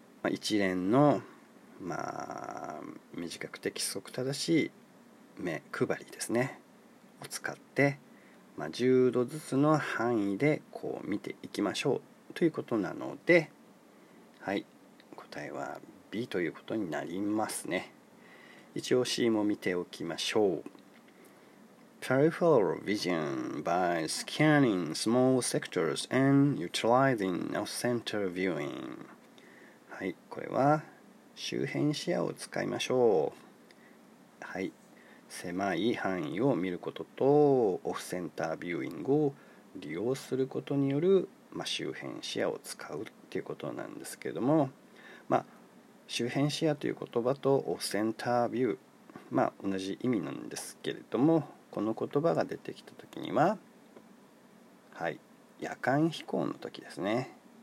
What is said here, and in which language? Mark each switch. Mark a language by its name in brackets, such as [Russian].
[Japanese] 一連の、まあ、短くて規則正しい目配りですね。を使って、まあ、10度ずつの範囲でこう見ていきましょうということなので、はい、答えは B ということになりますね。一応 C も見ておきましょう。 [English] Peripheral vision by scanning small sectors and utilizing off-center viewing。 [Japanese] はい、これは周辺視野を使いましょう。はい、狭い範囲を見ることとオフセンタービューイングを利用することによる、まあ、周辺視野を使うということなんですけれども、まあ、周辺視野という言葉とオフセンタービュー、まあ、同じ意味なんですけれども、この言葉が出てきた時には、はい、夜間飛行の時ですね。